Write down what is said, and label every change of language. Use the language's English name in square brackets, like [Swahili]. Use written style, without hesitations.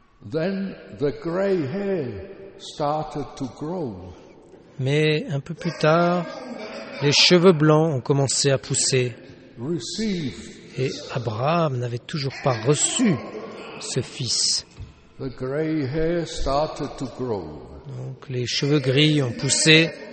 [English] Then the gray hair started to grow. [French] Mais un peu plus tard, les cheveux blancs ont commencé à pousser. [English] Received. [French] Et Abraham n'avait toujours pas reçu ce fils. [English] The gray hair started to grow. [French] Donc les cheveux gris ont poussé.